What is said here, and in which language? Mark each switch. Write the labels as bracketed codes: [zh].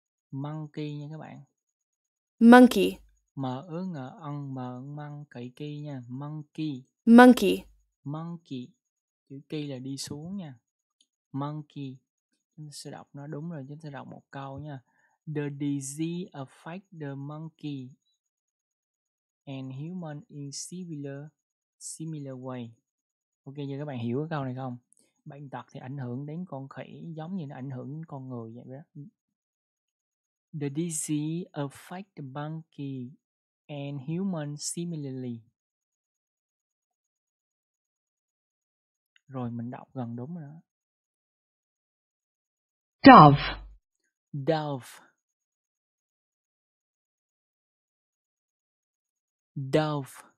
[vi] Monkey nha các bạn. [en] Monkey. [vi] Mở ứng ở ân mở ứng măng kỳ kỳ nha. [en] Monkey. Monkey. [vi] Monkey. Chữ kỳ là đi xuống nha. Monkey. Chúng ta sẽ đọc nó đúng rồi. Chúng ta sẽ đọc một câu nha. [en] The disease affect the monkey and human in similar way. [vi] Ok, cho các bạn hiểu cái câu này không? Bệnh tật thì ảnh hưởng đến con khỉ giống như nó ảnh hưởng đến con người vậy đó. [en] The disease affects the monkey and human similarly. [vi] Rồi mình đọc gần đúng rồi đó. [en] Dove. Dove. Dove.